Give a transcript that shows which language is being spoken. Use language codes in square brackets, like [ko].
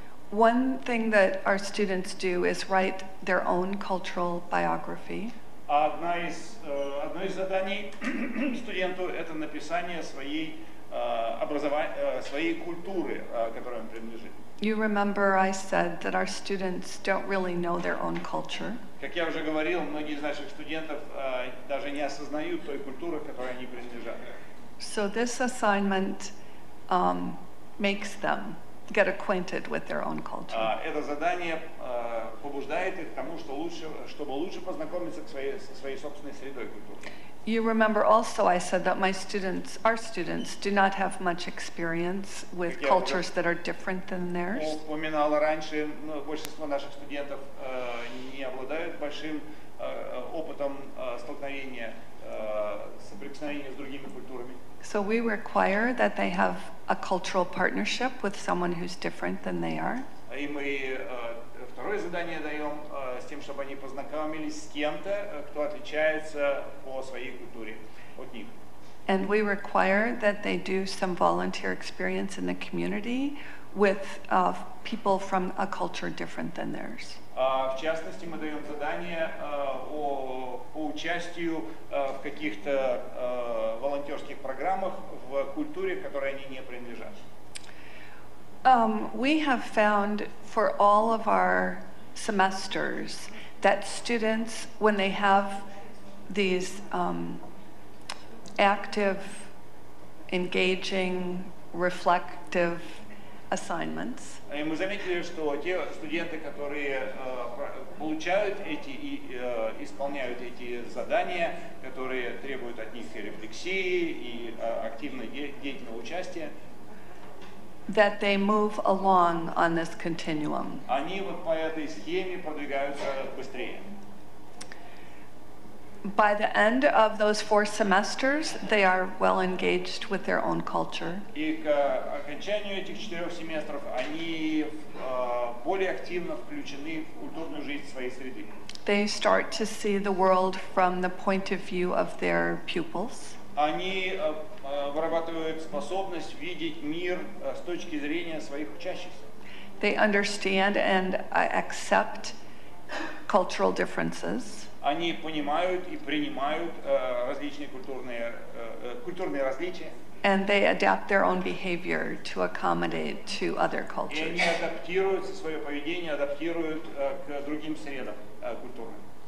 [en] One thing that our students do is write their own cultural biography. [ru] Одно из заданий студенту — это написание своей своей культуры, которой он принадлежит. [en] You remember I said that our students don't really know their own culture. [ru] Как я уже говорил, многие из наших студентов даже не осознают той культуры, которой они принадлежат. [en] So this assignment makes them get acquainted with their own culture. [ru] Это задание побуждает их к тому, чтобы лучше познакомиться со своей собственной средой культуры. [en] You remember also I said that my students, our students, do not have much experience with cultures that are different than theirs. [ru] Я упоминал раньше, большинство наших студентов не обладают большим опытом столкновения, соприкосновения с другими культурами. [en] So we require that they have a cultural partnership with someone who's different than they are. [ru] И мы второе задание даем с тем, чтобы они познакомились с кем-то, кто отличается по своей культуре от них. [en] And we require that they do some volunteer experience in the community with people from a culture different than theirs. [ru] В частности, мы даем задание по участию в каких-то волонтерских программах в культуре, которой они не принадлежат. [en] We have found for all of our semesters that students, when they have these active, engaging, reflective assignments, [ru] и мы заметили, что те студенты, которые получают эти и исполняют эти задания, которые требуют от них и рефлексии, и активного деятельного участия, [en] that they move along on this continuum. [ru] Они вот по этой схеме продвигаются быстрее. [en] By the end of those four semesters, they are well engaged with their own culture. [ru] И к окончанию этих четырех семестров они более активно включены в культурную жизнь своей среды. [en] They start to see the world from the point of view of their pupils. [ru] Они вырабатывают способность видеть мир с точки зрения своих учащихся. [en] They understand and accept cultural differences. [ru] Они понимают и принимают различные культурные различия. [en] And they adapt their own behavior to accommodate to other cultures. [ru] И они адаптируют свое поведение, адаптируют к другим средам культурным.